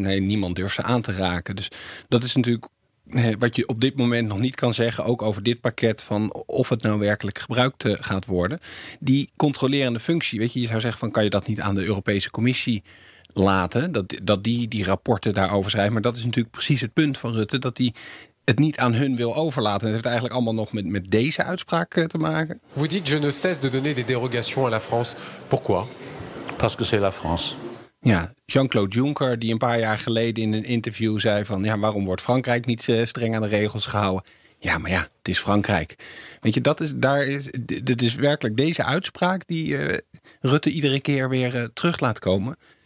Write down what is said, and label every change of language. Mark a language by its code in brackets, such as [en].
[nl] Nee, niemand durft ze aan te raken. Dus dat is natuurlijk wat je op dit moment nog niet kan zeggen, ook over dit pakket, van of het nou werkelijk gebruikt gaat worden. Die controlerende functie, weet je, je zou zeggen van, kan je dat niet aan de Europese Commissie laten, dat die rapporten daarover schrijven. Maar dat is natuurlijk precies het punt van Rutte, dat die het niet aan hun wil overlaten. Het heeft eigenlijk allemaal nog met deze uitspraak te maken. [fr] Vous dites, je ne cesse de donner des dérogations à la France. Pourquoi? Parce que c'est la France. [nl] Ja, Jean-Claude Juncker, die een paar jaar geleden in een interview zei van, ja, waarom wordt Frankrijk niet streng aan de regels gehouden? Ja, maar ja, het is Frankrijk. Weet je, dat is werkelijk deze uitspraak die Rutte iedere keer weer terug laat komen.